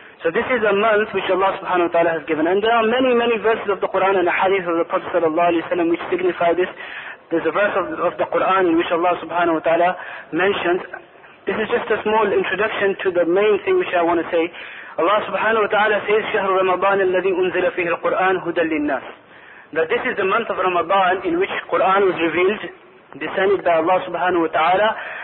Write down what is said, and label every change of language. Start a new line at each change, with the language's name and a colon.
English: So this is a month which Allah subhanahu wa ta'ala has given. And there are many, many verses of the Qur'an and the hadith of the Prophet sallallahu alayhi wa sallam which signify this. There's a verse of the Qur'an in which Allah subhanahu wa ta'ala mentions. This is just a small introduction to the main thing which I want to say. Allah subhanahu wa ta'ala says,
Arabic: شَهْرُ رَمَضَانِ الَّذِي أُنزِلَ فِيهِ الْقُرْآنِ هُدًى لِلنَّاسِ.
English: That this is the month of Ramadan in which Qur'an was revealed, descended by Allah subhanahu wa ta'ala.